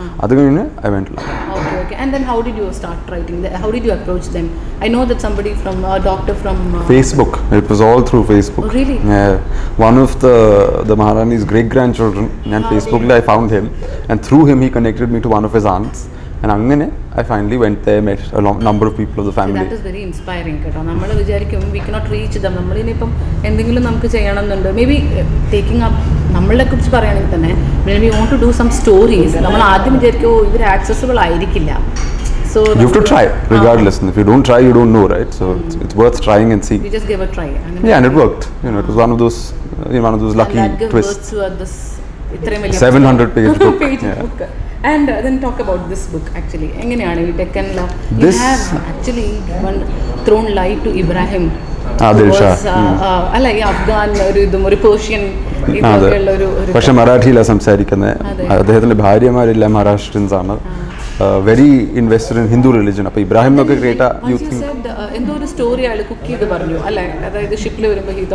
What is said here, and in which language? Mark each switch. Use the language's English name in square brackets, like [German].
[English] I went to London. Okay. And then how did you start writing? How did you approach them? I know that somebody from, a doctor from... Facebook. It was all through Facebook. Oh, really? Yeah. One of the Maharani's great-grandchildren, on Facebook, I found him. And through him, he connected me to one of his aunts. And അങ്ങനെ I finally went there, met a number of people of the family. That is very inspiring കേട്ടോ. [Malayalam] നമ്മൾ വിചാരിക്കും [English] we cannot reach them, [Malayalam] നമ്മൾ ഇനിയിപ്പം എന്തെങ്കിലും നമുക്ക് ചെയ്യണമെന്നുണ്ട്. [English] maybe taking up [Malayalam] നമ്മളെ കുറിച്ച് പറയുകയാണെങ്കിൽ തന്നെ, [English] maybe want to do some stories, [Malayalam] നമ്മൾ ആദ്യം വിചാരിക്കുമോ ഇവർ ആക്സസബിൾ ആയിരിക്കില്ല. [English] So you have to try regardless. If you don't try, you don't know, right? So it's worth trying and see. You just gave a try and yeah, and it worked, you know. It was one of those lucky twists. Words were this 700-page book. And then talk about this book actually. [Malayalam] എങ്ങനെയാണ് ഈ ഡെക്കൻ ലാ? [English] You this have actually thrown light to Ibrahim. [Malayalam] ആദിൽഷാ. അല്ല ഈ അഫ്ഗാൻ ഒരു ഇതും ഒരു Persian ഇതൊക്കെയുള്ള ഒരു, പക്ഷെ മറാഠിയിലാ സംസാരിക്കുന്നത്. അദ്ദേഹത്തിന്റെ ഭാര്യമാരെല്ലാം മഹാരാഷ്ട്രൻസ് ആണ്. [English] Very invested in Hindu religion. [Malayalam] അപ്പൊ ഇബ്രാഹിം എന്നൊക്കെ കേട്ടാ എന്തോ ഒരു സ്റ്റോറി ആയി കുക്ക് ചെയ്ത് പറഞ്ഞു അല്ലേ, അതായത് ഷിപ്പിൽ വരുമ്പോ